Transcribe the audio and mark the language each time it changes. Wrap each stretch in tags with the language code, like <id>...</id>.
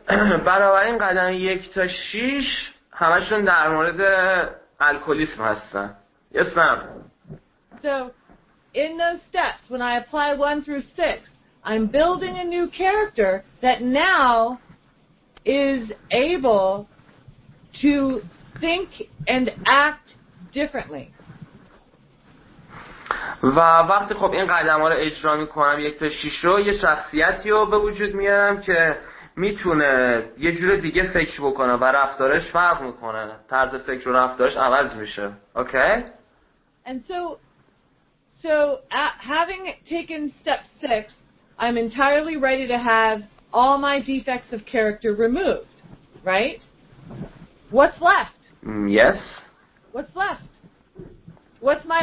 <fa>بنابراین قدم 1 تا 6 همشون در مورد الکلیسم هستن.</fa> <en>Yes, ma'am. So, in those steps, when I apply 1 through 6, I'm building a new character that now is able to think and act differently.</en> <fa>و وقتی خب این قدم ها رو اجرا می کنم 1 تا 6 رو، یه شخصیتی رو به وجود میارم که میتونه یه جور دیگه فکر بکنه و رفتارش فرق میکنه، طرز فکر و رفتارش عوض میشه.</fa> <en>Okay? And so having taken step 6, I'm entirely ready to have all my defects of character removed, right? What's left? Yes. What's left? What's my</en>